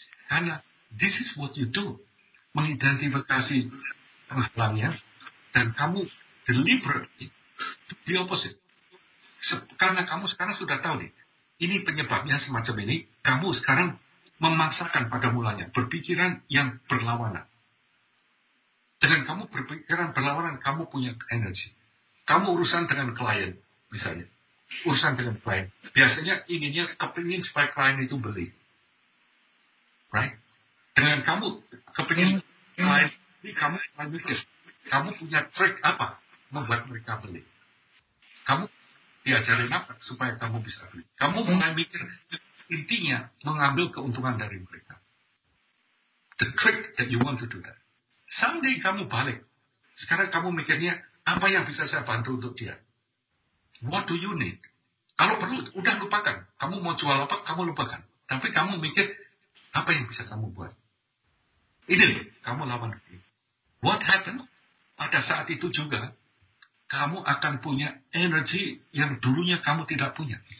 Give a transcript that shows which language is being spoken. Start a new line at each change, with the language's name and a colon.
Indonesian: Karena
English: this is what you do.
Indonesian: Mengidentifikasi penghalangnya. Dan kamu
English: deliberately the opposite.
Indonesian: Karena kamu sekarang sudah tahu nih. Ini penyebabnya semacam ini. Kamu sekarang memaksakan pada mulanya. Berpikiran yang berlawanan. Dengan kamu berpikiran berlawanan, kamu punya energi. Kamu urusan dengan klien misalnya. Urusan dengan klien. Biasanya inginnya kepingin supaya klien itu beli. Right? Dengan kamu kepingin klien beli, kamu lanjutin. Kamu punya trik apa membuat mereka beli. Kamu diajarin apa supaya kamu bisa beli. Kamu mulai mikir intinya mengambil keuntungan dari mereka.
English: The trick that you want to do that.
Indonesian: Someday kamu balik. Sekarang kamu mikirnya apa yang bisa saya bantu untuk dia.
English: What do you need?
Indonesian: Kalau perlu, udah lupakan. Kamu mau jual apa, kamu lupakan. Tapi kamu mikir, apa yang bisa kamu buat? Ini, kamu lawan.
English: What happened?
Indonesian: Pada saat itu juga, kamu akan punya energi yang dulunya kamu tidak punya.